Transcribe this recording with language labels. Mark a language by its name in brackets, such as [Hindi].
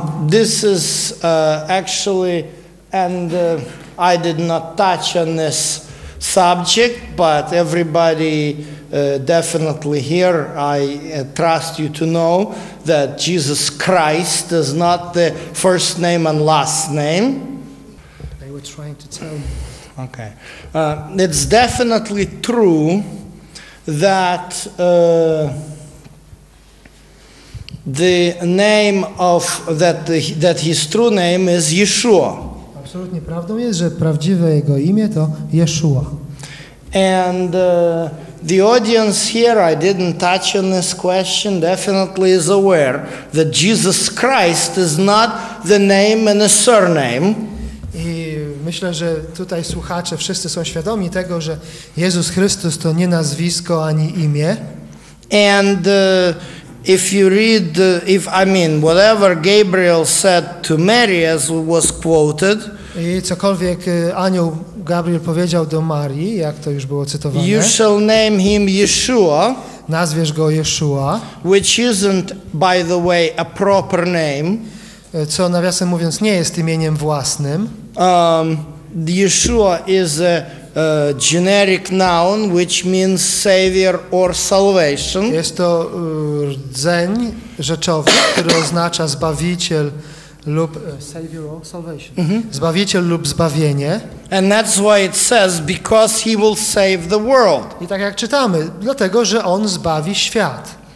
[English] This is actually, and I did not touch on this subject, but everybody definitely here, I trust you to know that Jesus Christ is not the first name and last name. They were trying to tell me. Okay. It's definitely true that the name of that his true name is Yeshua. [Polish] Absolutnie prawdą jest, że prawdziwe jego imię to Yeshua. [English] And the audience here, I didn't touch on this question, definitely is aware that Jesus Christ is not the name and the surname. [Polish] I myślę, że tutaj słuchacze wszyscy są świadomi tego, że Jezus Chrystus to nie nazwisko ani imię. [English] And if you read, whatever Gabriel said to Mary, as was quoted, [Polish] i cokolwiek anioł Gabriel powiedział do Marii, jak to już było cytowane. [English] You shall name him Yeshua. [Polish] Nazwiesz go Yeshua. [English] Which isn't, by the way, a proper name. [Polish] Co nawiasem mówiąc nie jest imieniem własnym. [English] Yeshua is a generic noun, which means savior or salvation. [Polish] Jest to rdzeń rzeczowy, który oznacza zbawiciel lub [English] savior or salvation. [Polish] Mm-hmm. Zbawiciel lub zbawienie. [English] And that's why it says because he will save the world. [Polish] I tak jak czytamy, dlatego że on zbawi świat.